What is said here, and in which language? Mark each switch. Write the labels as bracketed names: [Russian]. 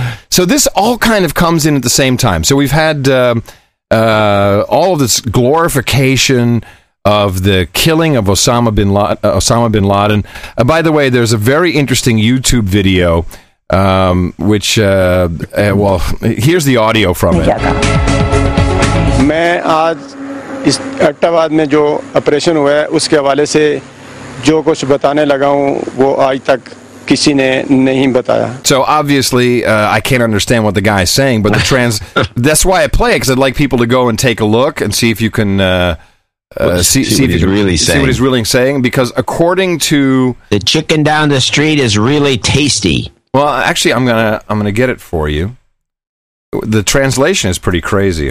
[English] So this all kind of comes in at the same time. So we've had. All of this glorification of the killing of Osama bin Laden. By the way, there's a very interesting YouTube video, which, well, here's the audio from it. [Hindi] मैं आज इस अट्टावाद में जो operation हुआ है उसके हवाले से जो कुछ बताने लगा हूं वो आज तक किसी ने नहीं बताया. [English] So obviously, I can't understand what the guy is saying, but the that's why I play it, because I'd like people to go and take a look and see if you can see what he's really saying. Because according to the chicken down the street is really tasty. Well, actually, I'm gonna get it for you. The translation is pretty crazy.